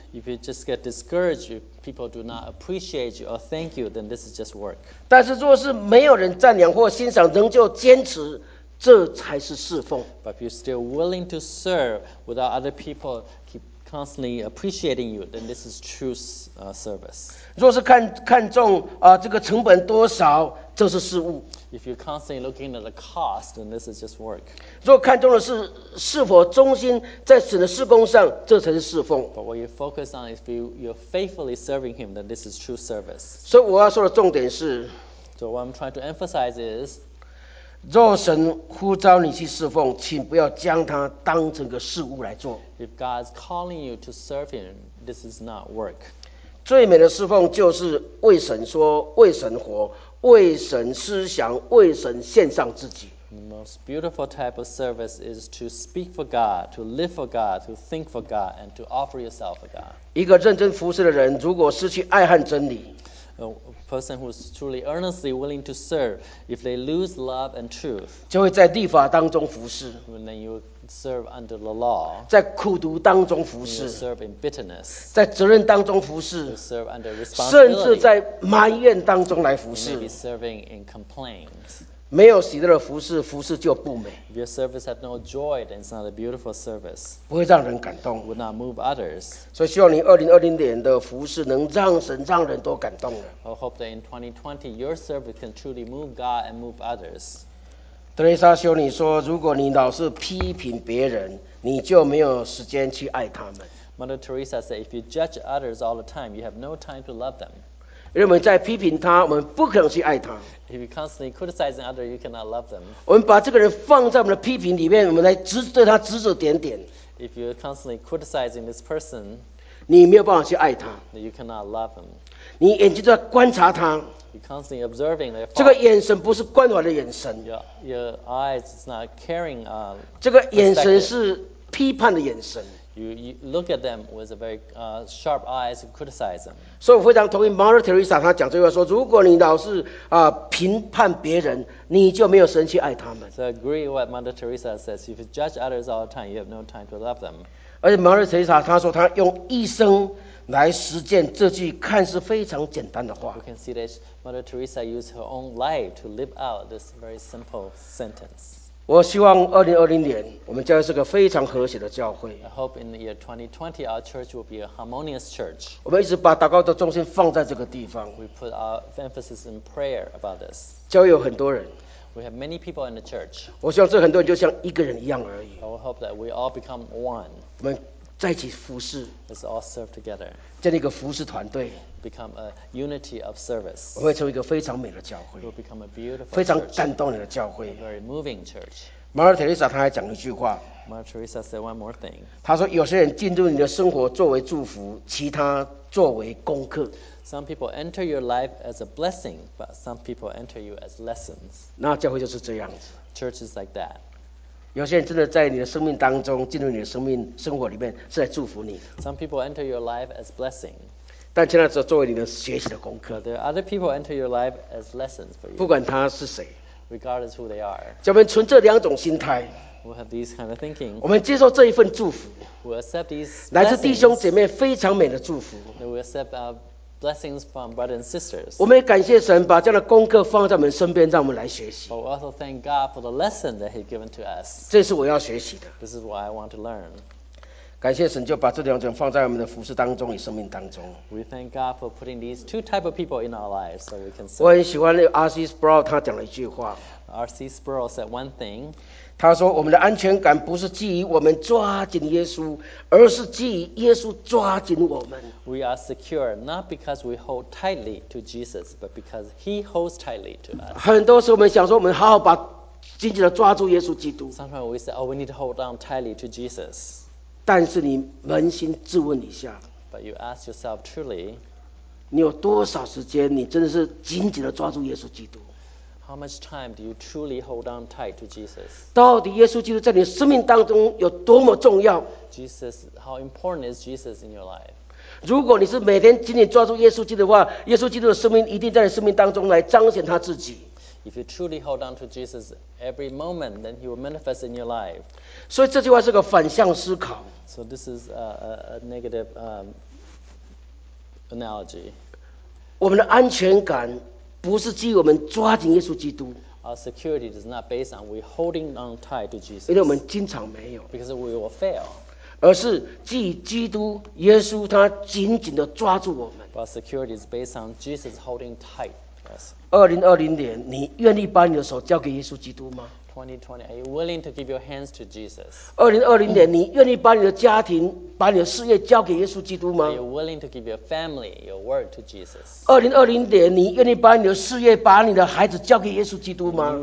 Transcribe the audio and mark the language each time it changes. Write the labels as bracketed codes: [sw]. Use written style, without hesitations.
[en] If you just get discouraged, people do not appreciate you or thank you, then this is just work. [zh] 但是若是没有人赞扬或欣赏，仍旧坚持，这才是侍奉。 [en] But if you're still willing to serve without other people keep constantly appreciating you, then this is true service. [zh] 若是看重这个成本多少，这是事务。 [en] If you're constantly looking at the cost, then this is just work. [zh] 若看重的是是否忠心在神的事工上，这才是侍奉。 [en] But what you focus on is if you're faithfully serving Him, then this is true service. [zh] 所以我要说的重点是 [en] ，So what I'm trying to emphasize is， [zh] 若神呼召你去侍奉，请不要将它当成个事务来做。 [en] If God's calling you to serve Him, this is not work. [zh] 最美的侍奉就是为神说，为神活，为神思想，为神献上自己。 [en] The most beautiful type of service is to speak for God, to live for God, to think for God, and to offer yourself for God. [zh] 一个认真服事的人，如果失去爱和真理 [en] ，A person who is truly earnestly willing to serve, if they lose love and truth, [zh] 就会在律法当中服事。 [en] Then you serve under the law. [zh] 在苦读当中服事。 [en] You serve in bitterness. [zh] 在责任当中服事。 [en] You serve under responsibility. [zh] 甚至在埋怨当中来服事。 [en] You may be serving in complaints. [zh] 没有喜乐的服事，服事就不美。 [en] If your service has no joy, then it's not a beautiful service. [zh] 不会让人感动。 [en] Would not move others. [zh] 所以希望你2020年的服事能让神让人都感动了。 [en] I hope that in 2020 your service can truly move God and move others. [zh] 德蕾莎修女说，如果你老是批评别人，你就没有时间去爱他们。 [en] Mother Teresa said, if you judge others all the time, you have no time to love them. [zh] 因为我们在批评他，我们不可能去爱他。 [en] If you constantly criticize another, you cannot love them. [zh] 我们把这个人放在我们的批评里面，我们来对他指指点点。 [en] If you're constantly criticizing this person, [zh] 你没有办法去爱他。 [en] You cannot love him. [zh] 你眼睛都在观察他。 [en] You're constantly observing their. [zh] 这个眼神不是关怀的眼神。 [en] Your eyes is not caring. [zh] 这个眼神是批判的眼神。 [en] You look at them with a very sharp eyes and criticize them. [zh] 所以我非常同意 Mother Teresa 她讲这句话说，如果你老是评判别人，你就没有神去爱他们。 [en] So I agree what Mother Teresa says. If you judge others all the time, you have no time to love them. [zh] 而且 Mother Teresa 她说她用一生来实践这句看似非常简单的话。 [en] You can see that Mother Teresa used her own life to live out this very simple sentence. [zh] 我希望2020年我们教会是个非常和谐的教会。 [en] I hope in the year 2020 our church will be a harmonious church. [zh] 我们一直把祷告的重心放在这个地方。 [en] We put our emphasis in prayer about this. [zh] 教会有很多人。 [en] We have many people in the church. [zh] 我希望这很多人就像一个人一样而已。 [en] I hope that we all become one. [zh] 我们在一起服侍。 [en] Let's all serve together. [zh] 建立一个服侍团队。 [en] Become a unity of service. [zh] 我会成为一个非常美的教会。 [en] We'll become a beautiful church. [zh] 非常感动你的教会。 [en] A very moving church. [zh] Mother Teresa 她还讲一句话。 [en] Mother Teresa said one more thing. [zh] 她说有些人进入你的生活作为祝福，其他作为功课。 [en] Some people enter your life as a blessing, but some people enter you as lessons. [zh] 那教会就是这样子。 [en] Church is like that. [zh] 有些人真的在你的生命当中进入你的生命生活里面是来祝福你的。 [en] Some people enter your life as blessing. [zh] 但现在只作为你的学习的功课。 [en] But there are other people enter your life as lessons for you. [zh] 不管他是谁。 [en] Regardless who they are. [zh] 我们存这两种心态。 [en] We have these kind of thinking. [zh] 我们接受这一份祝福。 [en] We accept these blessings. [zh] 来自弟兄姐妹非常美的祝福。 [en] We accept our blessings from brothers and sisters. [zh] 我们也感谢神把这样的功课放在我们身边，让我们来学习。 [en] But we also thank God for the lesson that He given to us. [zh] 这是我要学习的。 [en] This is what I want to learn. [zh] 感谢神就把这两种放在我们的服事当中与生命当中。 [en] We thank God for putting these two type of people in our lives so we can serve. [zh] 我很喜欢 R.C. Sproul 他讲了一句话。 [en] R.C. Sproul said one thing. [zh] 他说我们的安全感不是基于我们抓紧耶稣，而是基于耶稣抓紧我们。 [en] We are secure not because we hold tightly to Jesus, but because He holds tightly to us. [zh] 很多时候我们想说，我们好好把紧紧的抓住耶稣基督。 [en] Sometimes we say, "Oh, we need to hold on tightly to Jesus." [zh] 但是你扪心自问一下 [en] ，But you ask yourself truly, [zh] 你有多少时间你真的是紧紧的抓住耶稣基督 [en] ？How much time do you truly hold on tight to Jesus? [zh] 到底耶稣基督在你生命当中有多么重要 [en] ？Jesus, how important is Jesus in your life? [zh] 如果你是每天紧紧抓住耶稣基督的话，耶稣基督的生命一定在你生命当中来彰显他自己。 [en] If you truly hold on to Jesus every moment, then He will manifest in your life. [zh] 所以这句话是个反向思考。 [en] So this is a negative analogy. [zh] 我们的安全感不是基于我们抓紧耶稣基督。 [en] Our security is not based on we holding on tight to Jesus. [zh] 因为我们经常没有。 [en] Because we will fail. [zh] 而是基于基督耶稣，他紧紧的抓住我们。 [en] But security is based on Jesus holding tight. Yes. [zh] 2020年，你愿意把你的手交给耶稣基督吗 [en] ？2020, are you willing to give your hands to Jesus? [zh] 2020年，你愿意把你的家庭、把你的事业交给耶稣基督吗 [en] ？Are you willing to give your family, your work to Jesus? [zh] 2020年，你愿意把你的事业、把你的孩子交给耶稣基督吗